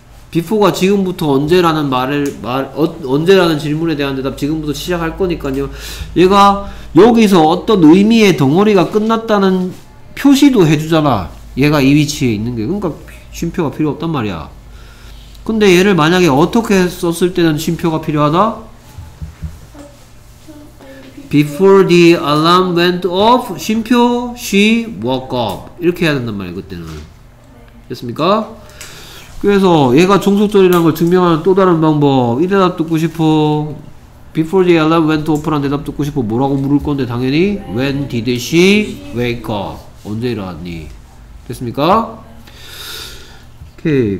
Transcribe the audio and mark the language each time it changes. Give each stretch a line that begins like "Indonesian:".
Korean: before가 지금부터 언제라는 말을 언제라는 질문에 대한 대답 지금부터 시작할 거니까요. 얘가 여기서 어떤 의미의 덩어리가 끝났다는 표시도 해주잖아. 얘가 이 위치에 있는 게. 그러니까 쉼표가 필요 없단 말이야. 근데 얘를 만약에 어떻게 썼을 때는 쉼표가 필요하다?
English: Before the alarm went off, 쉼표, she woke up.
Korean: 이렇게 해야 된단 말이야, 그때는. 됐습니까? 그래서 얘가 종속절이라는 걸 증명하는 또 다른 방법. 이 대답 듣고 싶어.
English: Before the alarm went off라는
Korean: 대답 듣고 싶어. 뭐라고 물을 건데, 당연히.
English: When did she wake up?
Korean: 언제 일어났니? 됐습니까? 오케이.